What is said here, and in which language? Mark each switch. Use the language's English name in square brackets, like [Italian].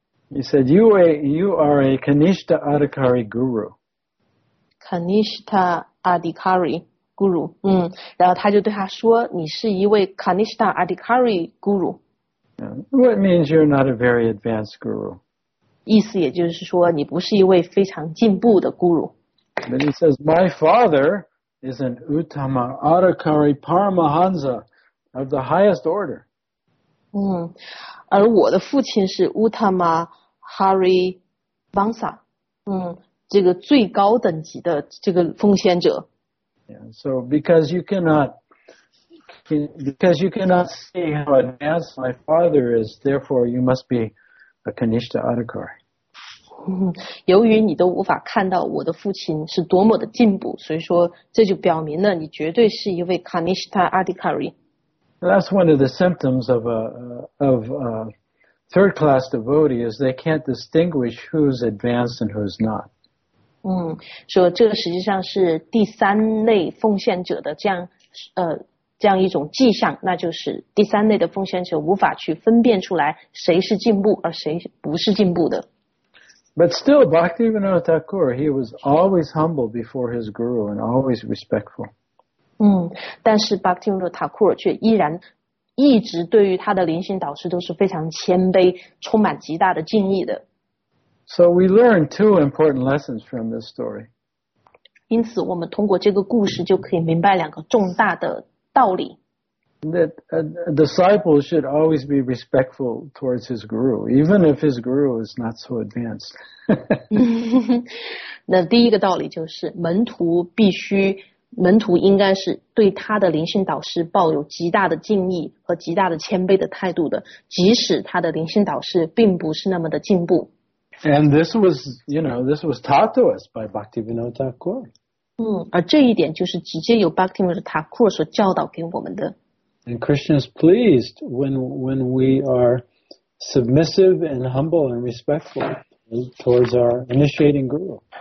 [English] He said, you are a Kanishta Adhikari Guru. [Chinese] Kanishta Adhikari Guru. 然后他就对他说，你是一位 Kanishta Adhikari Guru. [English] Yeah. What means you're not a very advanced guru. [Chinese] 意思也就是说，你不是一位非常进步的 guru. [English] But he says, my father is an Uttama Adhikari Paramahansa of the highest order. [Chinese] 而我的父亲是 Uttama Hari Vansa, 这个最高等级的这个奉献者。 [English] So because you cannot see how advanced my father is, therefore you must be a Kanishta Adhikari. [Chinese] 由于你都无法看到我的父亲是多么的进步，所以说这就表明了你绝对是一位 Kanishta Adhikari. [English] That's one of the symptoms of third class devotee is they can't distinguish who's advanced and who's not. [Chinese] 所以这实际上是第三类奉献者的这样一种迹象，那就是第三类的奉献者无法去分辨出来谁是进步而谁不是进步的。 [English] But still, Bhaktivinoda Thakur, he was always humble before his guru and always respectful. [Chinese] 但是 Bhaktivinoda Thakur 却依然一直对于他的灵性导师都是非常谦卑，充满极大的敬意的。 [English] So we learn two important lessons from this story. [Chinese] 因此，我们通过这个故事就可以明白两个重大的道理。 [English] That a disciple should always be respectful towards his guru, even if his guru is not so advanced. [Chinese] 那第一个道理就是门徒应该是对他的灵性导师抱有极大的敬意和极大的谦卑的态度的，即使他的灵性导师并不是那么的进步。 [English] And this was, you know, this was taught to us by Bhaktivinoda Thakur. [Chinese] 而这一点就是直接由 Bhaktivinoda Thakur 所教导给我们的。 [English] And Krishna is pleased when we are submissive and humble and respectful towards our initiating guru.